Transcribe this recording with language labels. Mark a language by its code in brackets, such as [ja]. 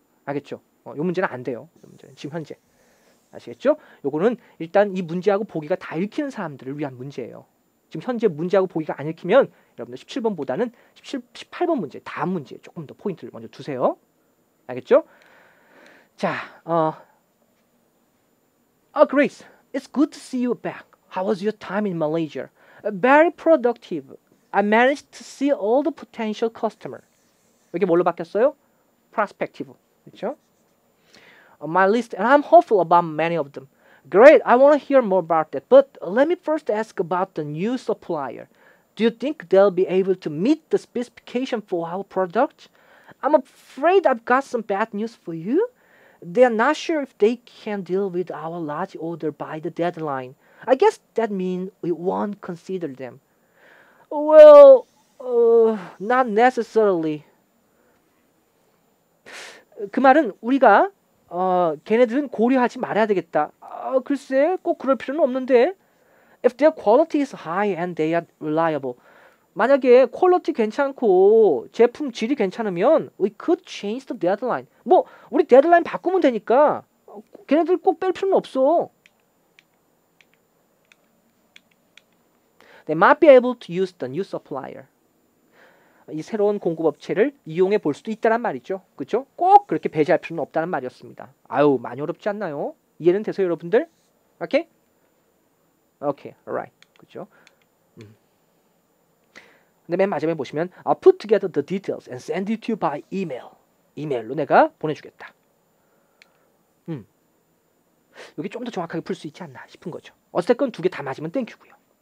[ko] 알겠죠? 요 문제는 안 돼요. 요 문제는 지금 현재. 아시겠죠? 요거는 일단 이 문제하고 보기가 다 읽히는 사람들을 위한 문제예요. 지금 현재 문제하고 보기가 안 읽히면 여러분들 17번보다는 18번 문제, 다음 문제에 조금 더 포인트를 먼저 두세요. 알겠죠? [en] 자, Grace, it's good to see you back. How was your time in Malaysia? Very productive. I managed to see all the potential customers. [ko] 이게 뭘로 바뀌었어요? Prospective. 그렇죠? [en] On my list, and I'm hopeful about many of them. Great, I want to hear more about that. But let me first ask about the new supplier. Do you think they'll be able to meet the specification for our product? I'm afraid I've got some bad news for you. They're not sure if they can deal with our large order by the deadline. I guess that means we won't consider them. Well, not necessarily. [ko] 그 말은 우리가 걔네들은 고려하지 말아야 되겠다. 글쎄, 꼭 그럴 필요는 없는데. [en] If their quality is high and they are reliable. [ko] 만약에 퀄리티 괜찮고 제품 질이 괜찮으면 [en] we could change the deadline. [ko] 뭐, 우리 데드라인 바꾸면 되니까 걔네들 꼭 뺄 필요는 없어. [en] They might be able to use the new supplier. [ko] 이 새로운 공급업체를 이용해 볼 수도 있다란 말이죠. 그렇죠? 꼭 그렇게 배제할 필요는 없다는 말이었습니다. 아유, 많이 어렵지 않나요? 이해는 되세요, 여러분들? 오케이? 오케이, alright. 그렇죠? 근데 맨 마지막에 보시면 [en] I'll put together the details and send it to you by email. [ko] 이메일로 내가 보내주겠다. 여기 좀 더 정확하게 풀 수 있지 않나 싶은 거죠. 어쨌건 두 개 다 맞으면 땡큐고요.